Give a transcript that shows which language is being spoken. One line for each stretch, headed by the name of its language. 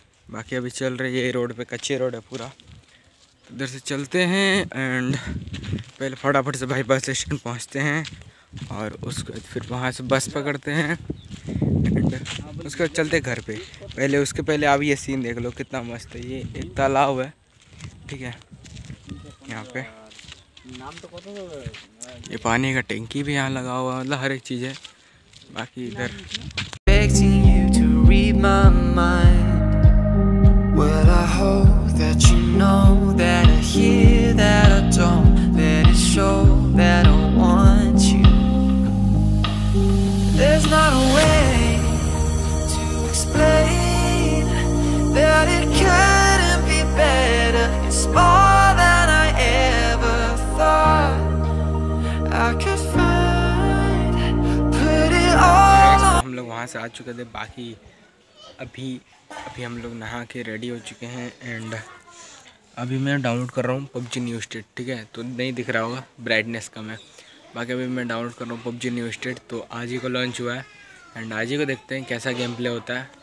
Hindi: बाकी अभी चल रही है रोड पे, कच्ची रोड है पूरा, इधर से चलते हैं एंड पहले फटाफट से भाई बस स्टेशन पहुंचते हैं और उसके बाद फिर वहां से बस पकड़ते हैं एंड उसके बाद चलते घर पे। पहले उसके पहले आप ये सीन देख लो कितना मस्त है, ये एक तालाब है, ठीक है। यहाँ पे नाम तो ये पानी का टेंकी भी यहाँ लगा हुआ, मतलब हर एक चीज़ है। बाकी इधर
English: begging you to read my mind, well I hope that you know that I hear that I don't let it show that I want you, there's not a way to explain that it couldn't be better, it's more than I ever thought I could find.
Hindi: वहाँ से आ चुके थे, बाकी अभी अभी हम लोग नहा के रेडी हो चुके हैं एंड अभी मैं डाउनलोड कर रहा हूँ पबजी न्यू स्टेट, ठीक है। तो नहीं दिख रहा होगा, ब्राइटनेस कम है। बाकी अभी मैं डाउनलोड कर रहा हूँ पबजी न्यू स्टेट, तो आज ही को लॉन्च हुआ है एंड आज ही को देखते हैं कैसा गेम प्ले होता है।